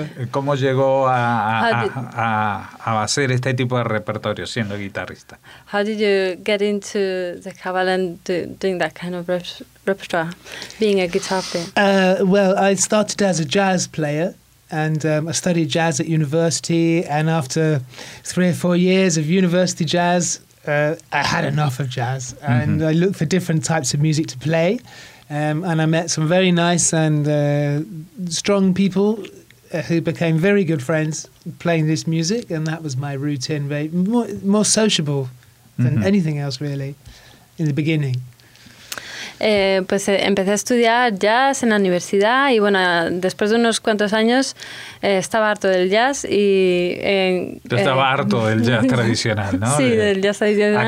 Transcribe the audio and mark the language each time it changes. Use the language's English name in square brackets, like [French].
[Spanish] ¿Cómo llegó a hacer este tipo de repertorio siendo guitarrista? [English] How did you get into the cabal and doing that kind of repertoire, being a guitar player? Well, I started as a jazz player. And I studied jazz at university, and after 3 or 4 years of university jazz, I had enough of jazz, mm-hmm. and I looked for different types of music to play, and I met some very nice and strong people who became very good friends playing this music, and that was my routine, very more sociable than mm-hmm. anything else, really, in the beginning. [Spanish] Pues empecé a estudiar jazz en la universidad y bueno, después de unos cuantos años estaba harto del jazz y... estaba harto del jazz tradicional, ¿no? Sí, del jazz tradicional.